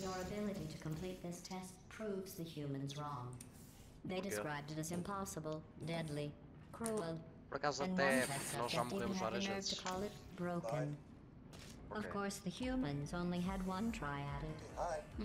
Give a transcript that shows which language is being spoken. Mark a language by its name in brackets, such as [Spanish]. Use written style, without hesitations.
[English] Your ability to complete this test proves the humans wrong. They described it as impossible, deadly, cruel. [Portuguese] Por acaso até nós já morremos várias vezes. [English] Okay. Of course the humans only had one try at it.